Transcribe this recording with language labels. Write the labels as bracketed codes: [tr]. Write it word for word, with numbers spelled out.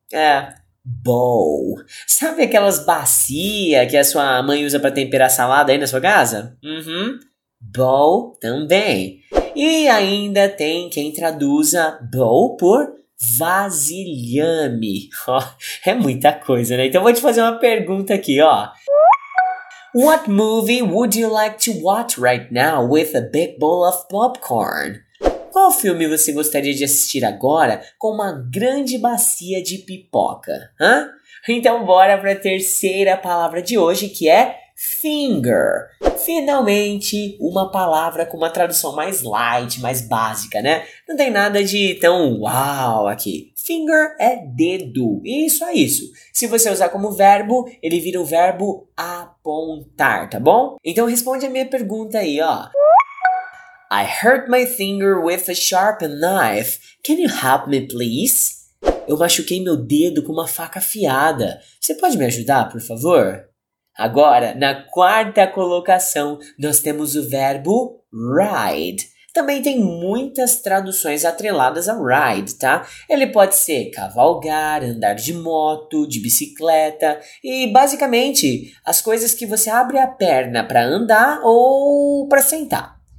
[pt] É, bowl. Sabe aquelas bacias que a sua mãe usa para temperar salada aí na sua casa? Uhum. Bowl também. E ainda tem quem traduza bowl por vasilhame. Oh, é muita coisa, né? Então vou te fazer uma pergunta aqui, ó. [en] What movie would you like to watch right now with a big bowl of popcorn? [pt] Qual filme você gostaria de assistir agora com uma grande bacia de pipoca? Hã? Então bora para a terceira palavra de hoje, que é finger. Finalmente, uma palavra com uma tradução mais light, mais básica, né? Não tem nada de tão uau aqui. Finger é dedo, e só isso. Se você usar como verbo, ele vira o verbo apontar, tá bom? Então responde a minha pergunta aí, ó. [en] I hurt my finger with a sharp knife. Can you help me, please? [pt] Eu machuquei meu dedo com uma faca afiada. Você pode me ajudar, por favor? Agora, na quarta colocação, nós temos o verbo ride. Também tem muitas traduções atreladas a ride, tá? Ele pode ser cavalgar, andar de moto, de bicicleta e, basicamente, as coisas que você abre a perna para andar ou para sentar.